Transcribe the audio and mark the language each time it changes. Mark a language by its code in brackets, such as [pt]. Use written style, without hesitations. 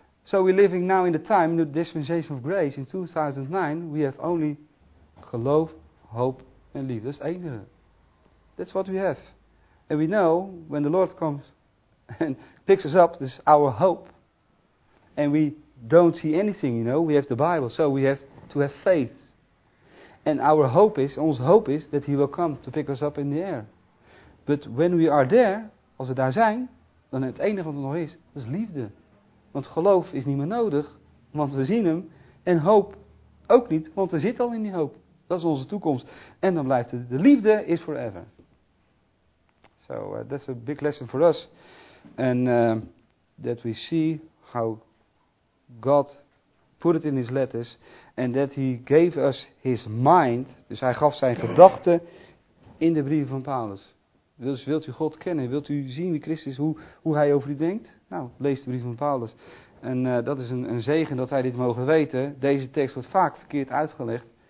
[en] So we're living now in the time, in the dispensation of grace. In 2009, we have only [nl] geloof, hoop en liefde. Dat is het enige. [en] That's what we have. And we know, when the Lord comes and picks us up, this is our hope. And we don't see anything, you know. We have the Bible, so we have to have faith. And our hope is, [nl] ons hoop is, [en] that he will come to pick us up in the air. But when we are there, [nl] als we daar zijn, dan het enige wat er nog is, dat is liefde. Want geloof is niet meer nodig, want we zien hem. En hoop ook niet, want er zit al in die hoop. Dat is onze toekomst. En dan blijft het. De liefde is forever. [en] So that's a big lesson for us. And that we see how God put it in his letters. And that he gave us his mind. [nl] Dus hij gaf zijn gedachten in de brieven van Paulus. Dus wilt u God kennen? Wilt u zien wie Christus is? Hoe hij over u denkt? Nou, lees de brief van Paulus. En dat is een zegen dat wij dit mogen weten. Deze tekst wordt vaak verkeerd uitgelegd.